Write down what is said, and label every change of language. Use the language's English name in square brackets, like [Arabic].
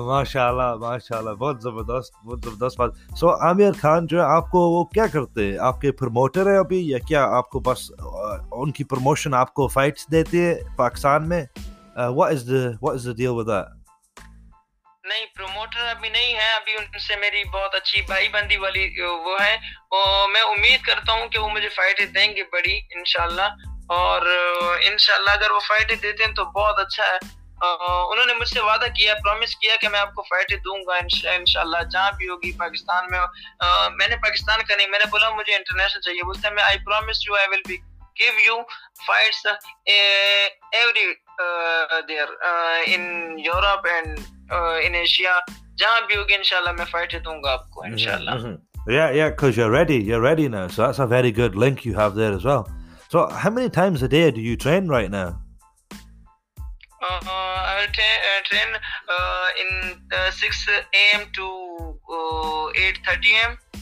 [Hindi] माशाल्लाह, बहुत जबरदस्त बात। सो आमिर खान जो है, आपको वो क्या करते हैं, आपके प्रमोटर है अभी या क्या? आपको बस उनकी प्रमोशन आपको फाइट्स देते हैं पाकिस्तान में? [English] What is the deal with that? [Hindi] नहीं, प्रमोटर अभी नहीं है, अभी उनसे मेरी बहुत अच्छी भाई बंदी वाली वो है, और मैं उम्मीद करता हूँ कि वो मुझे फाइटें देंगे बड़ी इंशाल्लाह, और इंशाल्लाह अगर वो फाइटें देते हैं तो बहुत अच्छा है। उन्होंने मुझसे वादा किया, प्रॉमिस किया कि मैं आपको फाइटें दूंगा इंशाल्लाह, जहाँ भी होगी पाकिस्तान में। मैंने पाकिस्तान का नहीं, मैंने बोला मुझे इंटरनेशनल चाहिए, बोलते मैं [English] I promise you I will be give you fights every there in Europe and in Asia, [Hindi] jahan bhi hogi inshallah main fight dunga aapko inshallah. [English] Yeah, because you're ready now, so that's a very good link you have there as well. So how many times a day do you train right now? I'll train in 6 a.m. to 8:30 a.m.